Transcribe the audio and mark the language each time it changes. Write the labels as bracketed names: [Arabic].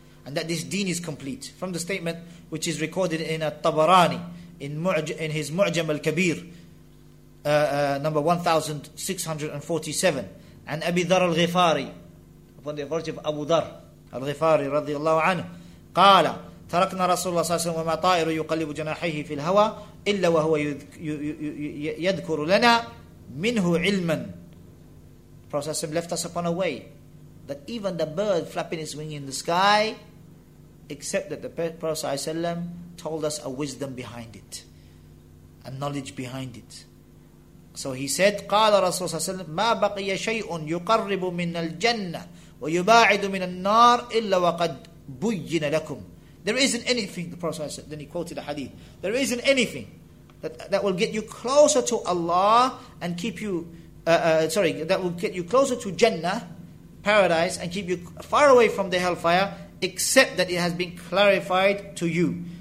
[English] And that this deen is complete. From the statement which is recorded in At-Tabarani, in his Mu'jam al-Kabir, number 1647, and Abi Dhar al-Ghifari, upon the authority of Abu Dhar al-Ghifari, radiallahu anhu, [Arabic] قال تركنا رسول الله صلى الله عليه وسلم وما طائر يقلب جناحيه في الهوى إلا وهو يذكر لنا منه علما. [English] Prophet left us upon a way that even the bird flapping its wing in the sky, except that the Prophet ﷺ told us a wisdom behind it, a knowledge behind it. So he said, [Arabic] قال رسول الله صلى الله عليه وسلم ما بقي شيء يقرب من الجنة ويباعد من النار إلا وقد بُيِّنَ لَكُمْ. [English] There isn't anything, the Prophet said, then he quoted the hadith, there isn't anything that will get you closer to Allah and keep you, that will get you closer to Jannah, paradise, and keep you far away from the hellfire, except that it has been clarified to you.